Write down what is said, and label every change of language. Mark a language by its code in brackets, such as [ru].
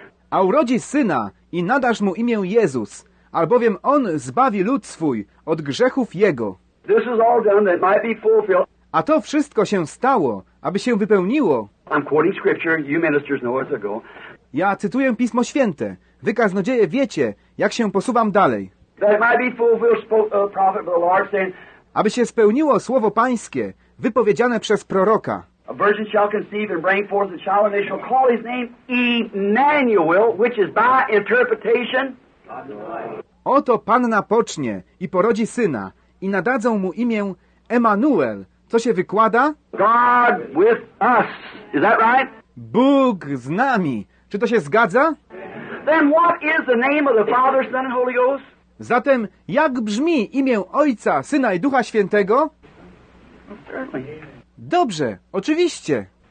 [pl] A urodzi syna i nadasz mu imię Jezus, albowiem on zbawi lud swój od grzechów jego. [en] This is all done that might be fulfilled. [pl] A to wszystko się stało, aby się wypełniło. [en] I'm quoting scripture, you ministers know it's a go. [pl] Ja cytuję Pismo Święte. Wy, kaznodzieje, wiecie, jak się posuwam dalej. [en] That might be fulfilled, spoke the prophet of the Lord, saying, [pl] aby się spełniło słowo Pańskie, wypowiedziane przez proroka. [en] A virgin shall conceive and bring forth a child, and they shall call his name Emmanuel, which is by interpretation. [pl] Oto panna pocznie i porodzi syna, i nadadzą mu imię Emmanuel, co się wykłada? [en] God with us. Is that right? [pl] Bóg z nami. Czy to się zgadza? [en] Then what is the name of the Father, Son, and Holy Ghost? [pl] Zatem, jak brzmi imię Ojca, Syna i Ducha Świętego? Dobrze, oczywiście.